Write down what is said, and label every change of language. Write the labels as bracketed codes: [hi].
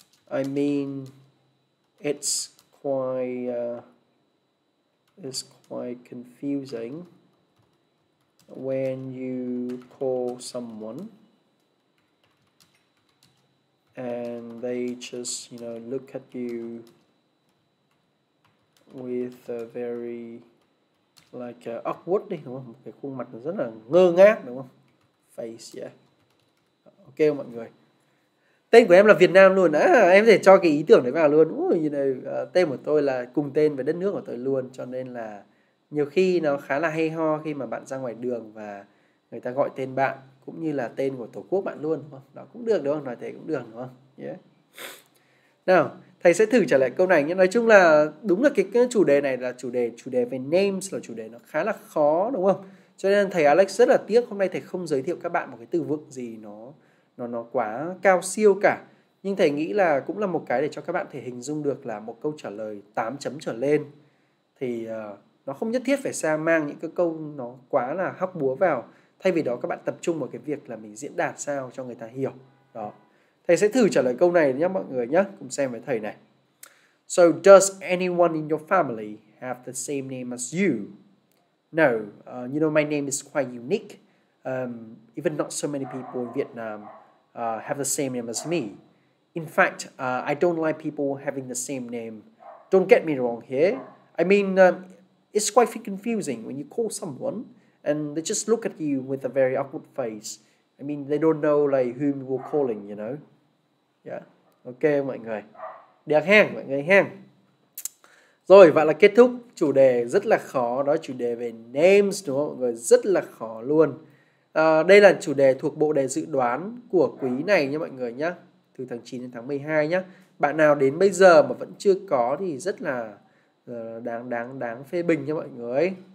[en] I mean, it's quite confusing when you call someone and they just, you know, look at you with a very like awkward đi, [vi] đúng không? Cái khuôn mặt nó rất là ngơ ngác, đúng không? [en] Face, yeah. [vi] Ok mọi người, tên của em là Việt Nam luôn á, em có thể cho cái ý tưởng đấy vào luôn. Ui, [en] you know, [vi] tên của tôi là cùng tên với đất nước của tôi luôn, cho nên là nhiều khi nó khá là hay ho khi mà bạn ra ngoài đường và người ta gọi tên bạn cũng như là tên của tổ quốc bạn luôn, đúng không? Đó cũng được, đúng không? Nói thế cũng được, đúng không? [en] Yeah. [vi] Nào, thầy sẽ thử trả lời câu này. Nói chung là đúng là cái chủ đề này là chủ đề về names, là chủ đề nó khá là khó, đúng không? Cho nên thầy Alex rất là tiếc hôm nay thầy không giới thiệu các bạn một cái từ vựng gì nó quá cao siêu cả. Nhưng thầy nghĩ là cũng là một cái để cho các bạn thể hình dung được là một câu trả lời 8 chấm trở lên thì nó không nhất thiết phải sa mang những cái câu nó quá là hóc búa vào. Thay vì đó các bạn tập trung vào cái việc là mình diễn đạt sao cho người ta hiểu. Đó. Thầy sẽ thử trả lời câu này nhé mọi người nhé. Cùng xem với thầy này. [en] So does anyone in your family have the same name as you? No. You know my name is quite unique. Even not so many people in Vietnam have the same name as me. In fact, I don't like people having the same name. Don't get me wrong here. I mean, it's quite confusing when you call someone and they just look at you with a very awkward face. I mean, they don't know like whom you're calling, you know? Yeah. Ok [vi] mọi người. Được hang mọi người hang. Rồi, vậy là kết thúc chủ đề rất là khó. Đó chủ đề về names, đúng không mọi người? Rất là khó luôn. Đây là chủ đề thuộc bộ đề dự đoán của quý này nha mọi người nhá. Từ tháng 9 đến tháng 12 nhá. Bạn nào đến bây giờ mà vẫn chưa có thì rất là đáng phê bình nha mọi người.